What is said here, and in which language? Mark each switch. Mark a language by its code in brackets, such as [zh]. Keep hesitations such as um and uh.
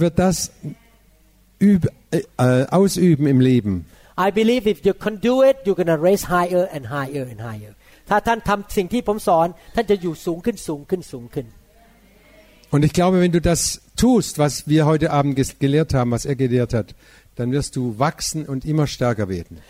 [de] wird das üb- äh, ausüben im Leben? [en] I believe if you can do it, you're gonna raise higher and higher and higher. [th] ถ้าท่านทำสิ่งที่ผมสอนท่านจะอยู่สูงขึ้นสูงขึ้นสูงขึ้น [de] und ich glaube wenn du das tust, was wir heute Abend gelehrt haben, was er gelehrt hat, dann wirst du wachsen und immer stärker werden.